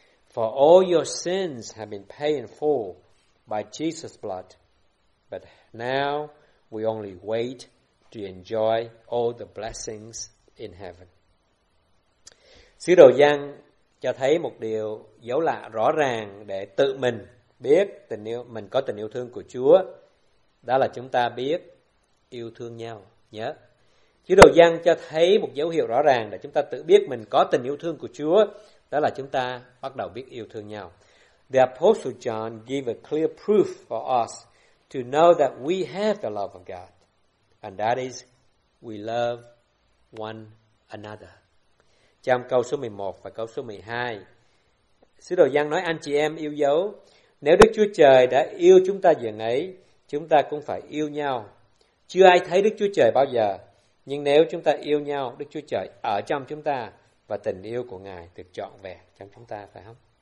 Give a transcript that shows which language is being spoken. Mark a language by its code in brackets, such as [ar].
[en] For all your sins have been paid in full by Jesus' blood, but now we only wait to enjoy all the blessings in heaven. [vi] Sứ đồ Giăng cho thấy một điều dấu lạ rõ ràng để tự mình biết tình yêu mình có tình yêu thương của Chúa, đó là chúng ta biết yêu thương nhau. Nhớ, Sứ đồ Giăng cho thấy một dấu hiệu rõ ràng để chúng ta tự biết mình có tình yêu thương của Chúa, đó là chúng ta bắt đầu biết yêu thương nhau. [en] The Apostle John gave a clear proof for us to know that we have the love of God, and that is we love one another. [vi] Trong câu số 11 và câu số 12, Sứ đồ Giăng nói, anh chị em yêu dấu, nếu Đức Chúa Trời đã yêu chúng ta dường ấy, chúng ta cũng phải yêu nhau. Chưa ai thấy Đức Chúa Trời bao giờ, nhưng nếu chúng ta yêu nhau, Đức Chúa Trời ở trong chúng ta và tình yêu của Ngài được trọn vẹn trong chúng ta, phải không?